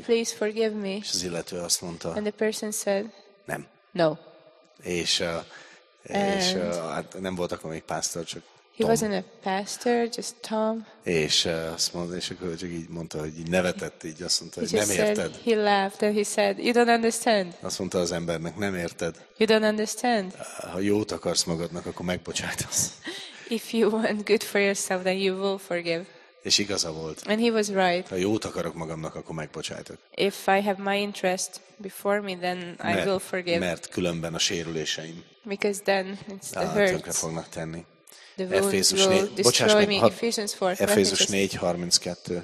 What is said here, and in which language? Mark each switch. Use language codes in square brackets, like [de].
[en] Please forgive me. [hu] És az illető azt mondta. [en] And the person said. [hu] Nem. [en] No. [hu] És hát nem voltak még pásztor, csak [en] he wasn't a pastor, just Tom. [hu] És azt mondta, és akkor csak így mondta, hogy így nevetett, így azt mondta, hogy nem érted. [en] He laughed and he said, you don't understand. [hu] Azt mondta az embernek, nem érted. [en] You don't understand. [hu] Ha jót akarsz magadnak, akkor megbocsátasz. [en] If you want good for yourself, then you will forgive. [hu] És igaza volt. [en] And he was right. [hu] Ha jót akarok magamnak, akkor megbocsátok. [en] If I have my interest before me, then I will forgive. [hu] Mert különben a sérüléseim. [en] Because then it's the hurts. [hu] Tönkre fognak tenni. Efézus 4:32.